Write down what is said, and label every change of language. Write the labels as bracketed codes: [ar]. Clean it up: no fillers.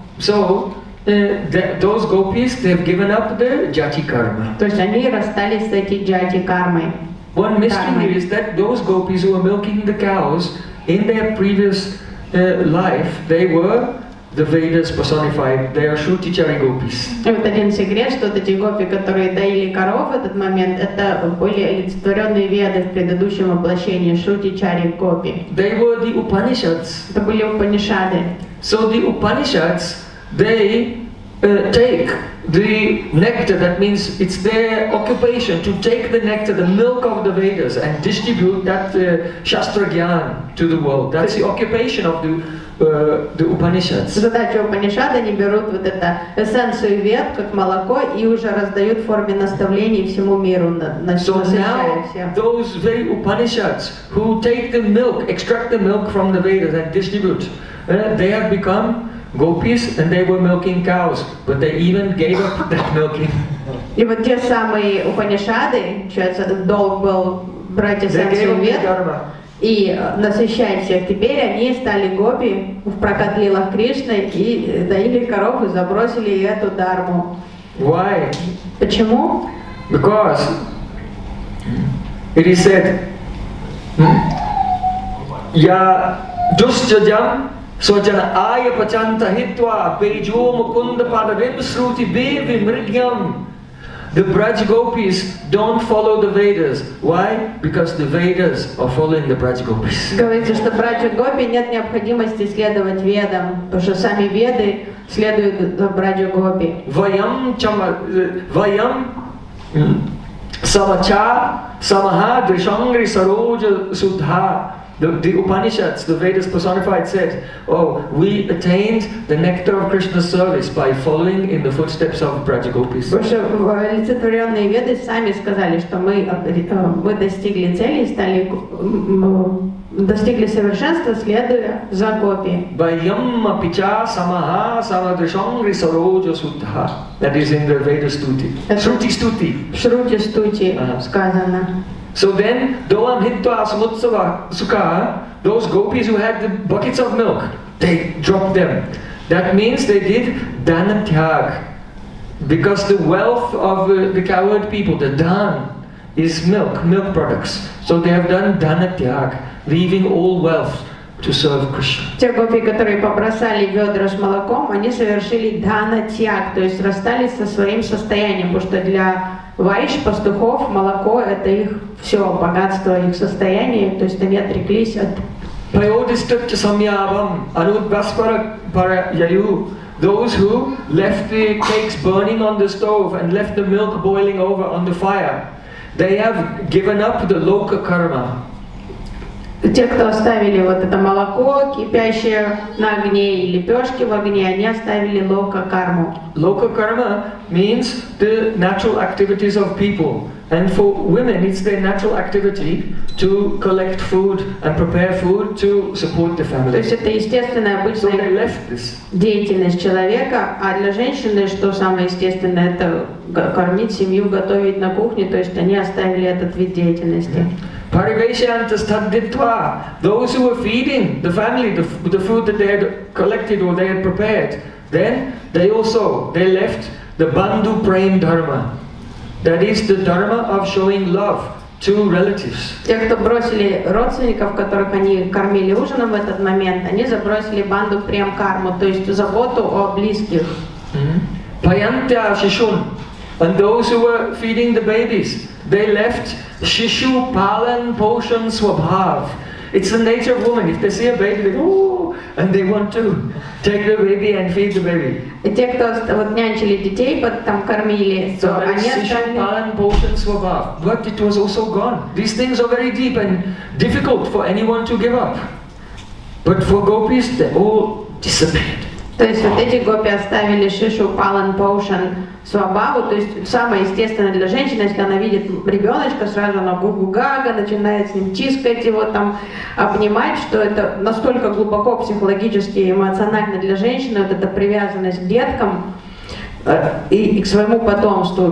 [en] So those gopis, they have given up the jati karma. [ru] То есть они расстались с этой jati кармой. [en] One mystery here is that those gopis who were milking the cows in their previous life, they were the Vedas personified. They are Shruti Charigopis. [ru] И вот один секрет, что эти гопи, которые доили коров в этот момент, это были олицетворенные Веды в предыдущем воплощении Шрути Чаригопи. [en] They were the Upanishads. [ru] Это были Упанишады. [en] So the Upanishads, they take the nectar, that means it's their occupation to take the nectar, the milk of the Vedas, and distribute that Shastra Gyan to the world. That's the occupation of the Upanishads. [ru] Задача Упанишад, они берут вот это эссенцию Вед, как молоко, и уже раздают в форме наставлений всему миру, насыщая все. [en] So now, those very Upanishads, who take the milk, extract the milk from the Vedas and distribute, they have become gopis, and they were milking cows, but they even gave up that milking. [ru] И вот те самые Упанишады, чьи этот долг был брать эссенцию Вед и насыщать всех, теперь они стали гопи в прокатлилах Кришны и доили коров и забросили эту дарму. [en] Why? [ru] Почему? [en] Because it is said, я [sa] Дустьяджан, Суджана Ая Пачанта Хитва, Бейджо Мукунда Падарим Срути Беви Мридьям. [en] The Braj Gopis don't follow the Vedas. Why? Because the Vedas are following the Braj Gopis. [ru] Говорится, что Braj Gopi нет необходимости следовать Ведам, потому что сами Веды следуют за Braj Gopi. [sa] Vayam chama vayam samacha samaha drishangri saroj sudha. [en] The Upanishads, the Vedas personified, said, "Oh, we attained the nectar of Krishna's service by following in the footsteps of Brajagopis." [ru] Потому что олицетворенные Веды сами сказали, что мы достигли цели, стали достигли совершенства, следуя за Гопи. [sa] Vayamma picha samaha samadrishangri sarojo sudha. [en] That is in the Veda stuti. Shruti stuti. [ru] Shruti stuti сказано. [en] So then, Doam Hitva Asamutsava Sukha, those gopis who had the buckets of milk, they dropped them. That means they did Dhanatyag. Because the wealth of the cowherd people, the Dhan, is milk products. So they have done Dhanatyag, leaving all wealth to serve Krishna. [ru] Те гопи, которые побросали ведра с молоком, они совершили Dhanatyag, то есть расстались со своим состоянием, потому что для Вайш, пастухов, молоко – это их все, богатство, их состояние, то есть они отреклись от… [sa] Payodistutya samyabam anudvaspara parayayu. [en] Those who left the cakes burning on the stove and left the milk boiling over on the fire, they have given up the loka karma. [ru] Те, кто оставили вот это молоко, кипящее на огне, и лепешки в огне, они оставили лока-карму. [en] Лока-карма means the natural activities of people. And for women, it's their natural activity to collect food and prepare food to support the family. [ru] То есть это естественная, обычная деятельность человека, а для женщины, что самое естественное, это кормить семью, готовить на кухне, то есть они оставили этот вид деятельности. [en] Parivesyanta staditva, those who were feeding the family the food that they had collected or they had prepared, then they left the bandhu prem dharma, that is the dharma of showing love to relatives. [ru] Те, кто бросили родственников, которых они кормили ужином в этот момент, они забросили банду прем карму, то есть заботу о близких. [en] Payantya shishun, and those who were feeding the babies, they left Shishu palan poshan swabhav. It's the nature of woman. If they see a baby, they go, ooh, and they want to take the baby and feed the baby. [ru] Те, кто вот нянчили детей, там кормили, то они оставили. [en] Shishu palan poshan swabhav. But it was also gone. These things are very deep and difficult for anyone to give up. But for gopis, they all disappeared. [ru] То есть вот эти гопи оставили шишу палан поушан свабаву, то есть самое естественное для женщины, если она видит ребеночка, сразу она гугу-гага, начинает с ним чискать его там, обнимать, что это настолько глубоко психологически и эмоционально для женщины, вот эта привязанность к деткам и к своему потомству.